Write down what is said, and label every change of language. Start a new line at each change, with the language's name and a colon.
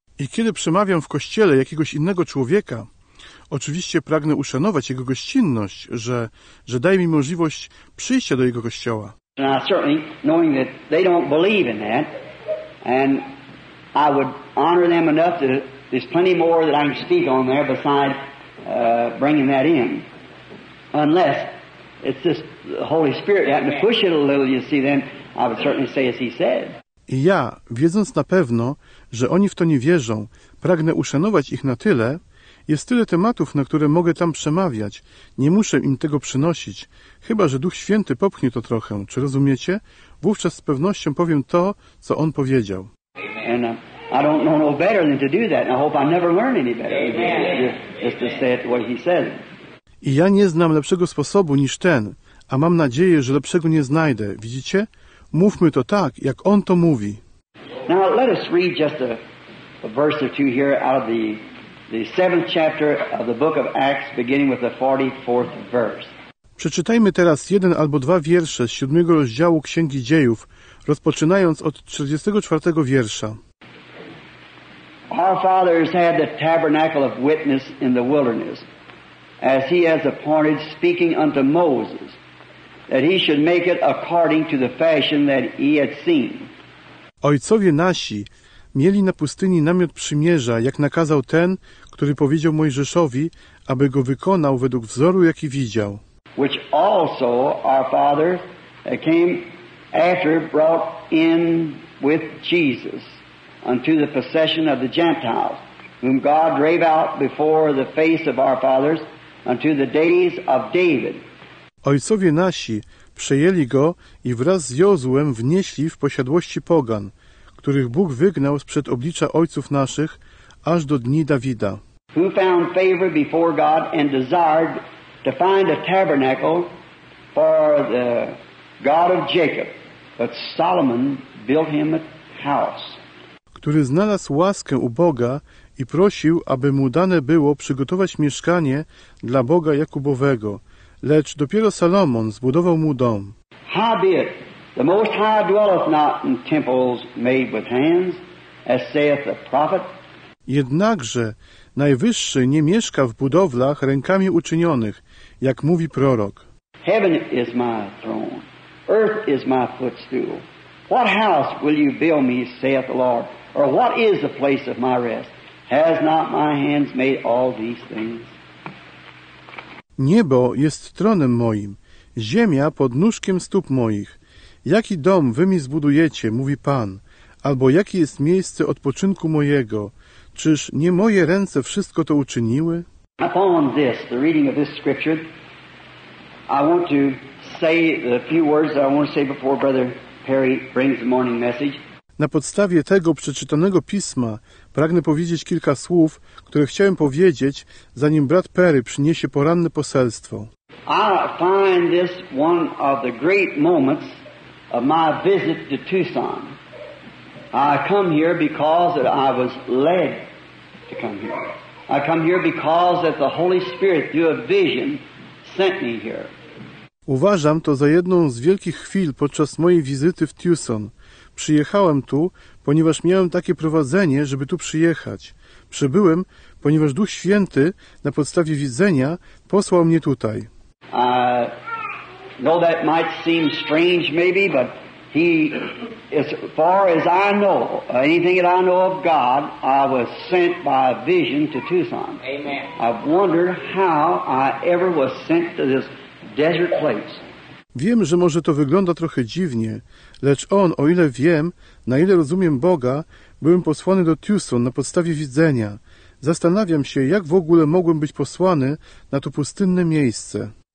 Polish: I kiedy przemawiam w kościele jakiegoś innego człowieka, oczywiście pragnę uszanować jego gościnność, że daje mi możliwość przyjścia do jego kościoła.
English: And I certainly, knowing that they don't believe in that, and I would honor them enough that there's plenty more that I can speak on there besides bringing that in. Unless it's just the Holy Spirit having to push it a little, you see, then I would certainly say as he said.
Polish: I ja, wiedząc na pewno, że oni w to nie wierzą, pragnę uszanować ich na tyle, jest tyle tematów, na które mogę tam przemawiać, nie muszę im tego przynosić, chyba że Duch Święty popchnie to trochę, czy rozumiecie? Wówczas z pewnością powiem to, co on powiedział.
English: And I don't know no better than to do that, and I hope I never learn any better. Just to say it what he said.
Polish: I ja nie znam lepszego sposobu niż ten, a mam nadzieję, że lepszego nie znajdę, widzicie? Mówmy to tak, jak on to mówi.
English: Now let us read just a verse or two here out of the seventh chapter of the book of Acts, beginning with the 44th verse.
Polish: Przeczytajmy teraz jeden albo dwa wiersze z siódmego rozdziału Księgi Dziejów, rozpoczynając od 44 wiersza.
English: Our fathers had the tabernacle of witness in the wilderness, as he has appointed, speaking unto Moses, that he should make it according to the fashion that he had seen.
Polish: Ojcowie nasi mieli na pustyni namiot przymierza, jak nakazał ten, który powiedział Mojżeszowi, aby go wykonał według wzoru, jaki widział.
English: Which also our father came after brought in with Jesus unto the possession of the Gentiles, whom God drave out before the face of our fathers unto the days of David.
Polish: Ojcowie nasi przejęli go i wraz z Jozuem wnieśli w posiadłości pogan, których Bóg wygnał sprzed oblicza ojców naszych aż do dni Dawida.
English: Who found favor before God and desired to find a tabernacle for the God of Jacob, but Solomon built him a house.
Polish: Który znalazł łaskę u Boga i prosił, aby mu dane było przygotować mieszkanie dla Boga Jakubowego, lecz dopiero Salomon zbudował mu dom.
English: Howbeit, the Most High dwelleth not in temples made with hands, as saith the prophet.
Polish: Jednakże Najwyższy nie mieszka w budowlach rękami uczynionych, jak mówi prorok.
English: Heaven is my throne, earth is my footstool. What house will you build me, saith the Lord? Or what is the place of my rest? Has not my hands made all these things?
Polish: Niebo jest tronem moim, ziemia pod nóżkiem stóp moich. Jaki dom wy mi zbudujecie, mówi Pan, albo jakie jest miejsce odpoczynku mojego? Czyż nie moje ręce wszystko to uczyniły?
English: Upon this, the reading of this scripture, I want to say a few words that I want to say before Brother Perry brings the morning message.
Polish: Na podstawie tego przeczytanego pisma pragnę powiedzieć kilka słów, które chciałem powiedzieć, zanim brat Perry przyniesie poranne poselstwo.
English: I find this one of the great moments of my visit to Tucson. I come here because I was led to come here. I come here because that the Holy Spirit through a vision sent me here.
Polish: Uważam to za jedną z wielkich chwil podczas mojej wizyty w Tucson. Przyjechałem tu, ponieważ miałem takie prowadzenie, żeby tu przyjechać. Przybyłem, ponieważ Duch Święty na podstawie widzenia posłał mnie tutaj.
English: No, that might seem strange maybe, but he, as far as I know, anything that I know of God, I was sent by a vision to Tucson. Amen. I wonder how I ever was sent to this desert place.
Polish: Wiem, że może to wygląda trochę dziwnie, lecz on, o ile wiem, na ile rozumiem Boga, byłem posłany do Tucson na podstawie widzenia. Zastanawiam się, jak w ogóle mogłem być posłany na to pustynne miejsce.